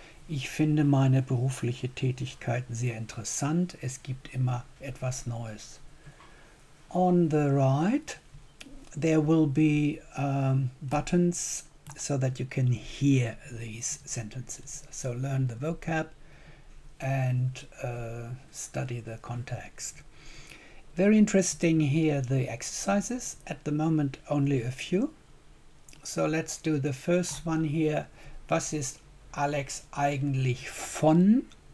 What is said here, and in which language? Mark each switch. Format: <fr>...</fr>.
<de>Ich finde meine berufliche Tätigkeit sehr interessant. Es gibt immer etwas Neues.</de> <en>On the right, there will be buttons so that you can hear these sentences. So learn the vocab and study the context. Very interesting here, the exercises. At the moment, only a few. So let's do the first one here.</en> <de>Was ist Alex eigentlich von?</de>